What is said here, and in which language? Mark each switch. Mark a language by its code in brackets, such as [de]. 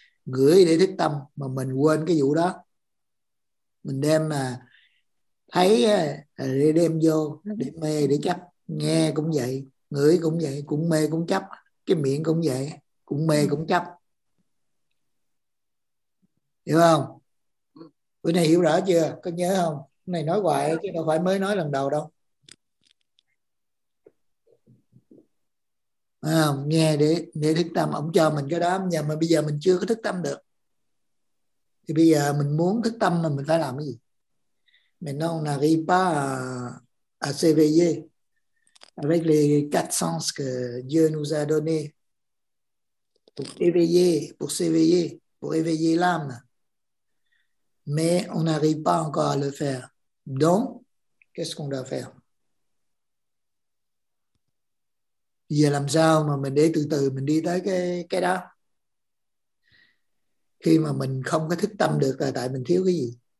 [vi] Gửi để thức tâm mà mình quên cái vụ đó, mình đem mà thấy để đem vô để mê để chấp, nghe cũng vậy, ngửi cũng vậy, cũng mê cũng chấp, cái miệng cũng vậy, cũng mê cũng chấp, hiểu không? Bữa nay hiểu rõ chưa? Có nhớ không? Cái này nói hoài chứ đâu phải mới nói lần đầu đâu, à, nghe để thức tâm. Ổng cho mình cái đó nhà mà bây giờ mình chưa có thức tâm được thì bây giờ mình muốn thức tâm mà mình phải làm cái gì? [fr] Mais non, on n'arrive pas à s'éveiller avec les quatre sens que Dieu nous a donné pour éveiller, pour s'éveiller, pour éveiller l'âme, mais on n'arrive pas encore à le faire. Donc qu'est-ce qu'on doit faire? [vi] Giờ làm sao mà mình để từ từ mình đi tới cái đó? Khi mà mình không có thức tâm được là tại mình thiếu cái gì?